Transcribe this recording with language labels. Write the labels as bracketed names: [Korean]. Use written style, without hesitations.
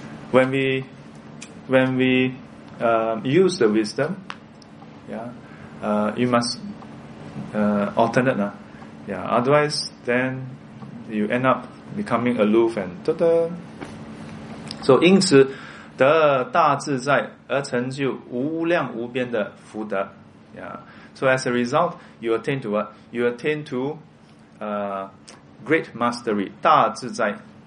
[English] When we use the wisdom, you must alternate. Yeah. Otherwise, then you end up becoming aloof and ta-da. [Chinese] So, 因此得大自在而成就无量无边的福德. [English] Yeah. So, as a result, you attain to what? You attain to great mastery, 大自在.